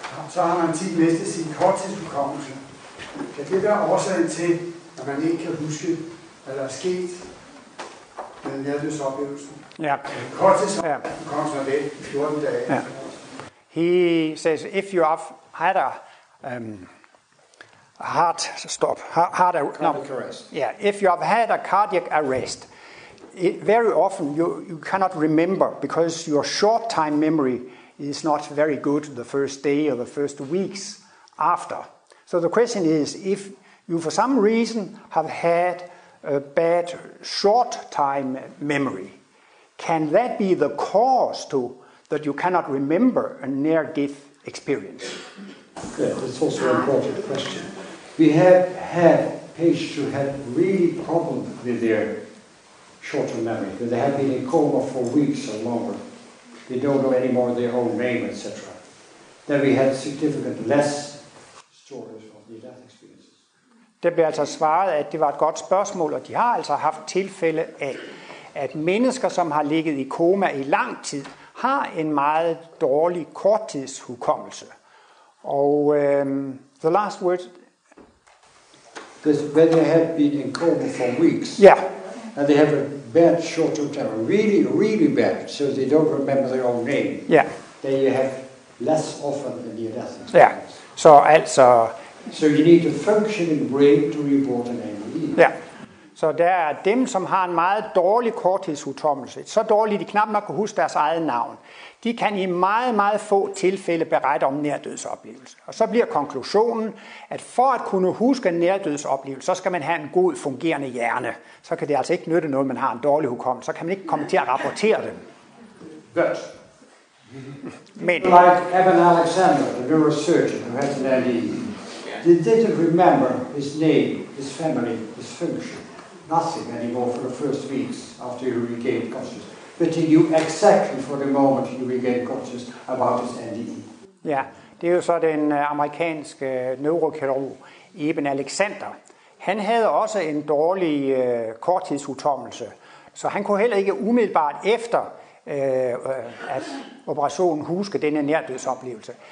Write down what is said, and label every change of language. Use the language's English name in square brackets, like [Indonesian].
[Danish] Så har man tit mistet sin korttidshukommelse. Kan det være årsagen til, at man ikke kan huske, hvad der er sket med en nærdødsoplevelse? Ja. Korttidshukommelsen er væk i 14 dage. Ja. [English] He says, if you have had a if you have had a cardiac arrest, very often you cannot remember because your short time memory is not very good the first day or the first weeks after. So the question is, if you for some reason have had a bad short time memory, can that be the cause to that you cannot remember a near death experience? Yeah, that's also an important question. We have had patients who had really problems with their short-term memory, that they have been in coma for weeks or longer. They don't know anymore their own name, etc. Then we had significant less stories of near-death experiences. [Danish] Det blev altså svaret, at det var et godt spørgsmål, og de har altså haft tilfælde af, at mennesker, som har ligget i koma i lang tid, har en meget dårlig korttidshukommelse. Og [English] the last word. This, when they have been in coma for weeks, yeah, and they have a bad short-term memory, really, really bad, so they don't remember their own name, yeah, then you have less often a near-death experience. Yeah, so also. So you need a functioning brain to report an AMD. Yeah. [Danish] Så der er dem, som har en meget dårlig korttidshukommelse, så dårligt, de knap nok kan huske deres eget navn, de kan i meget, meget få tilfælde berette om nærdødsoplevelse. Og så bliver konklusionen, at for at kunne huske en nærdødsoplevelse, så skal man have en god fungerende hjerne. Så kan det altså ikke nytte noget, man har en dårlig hukommelse. Så kan man ikke komme til at rapportere dem. Godt. Men. [English] Like Evan Alexander, the neurosurgeon, who had an ID, he didn't remember his name, his family, his function. Nothing anymore for the first weeks after you regain consciousness. But he knew exactly for the moment you regain consciousness about his NDE. [Danish] Ja, det er jo så den amerikanske neurokirurg Eben Alexander. Han havde også en dårlig korttidshukommelse, så han kunne heller ikke umiddelbart efter at operationen huske denne nærdødsoplevelse.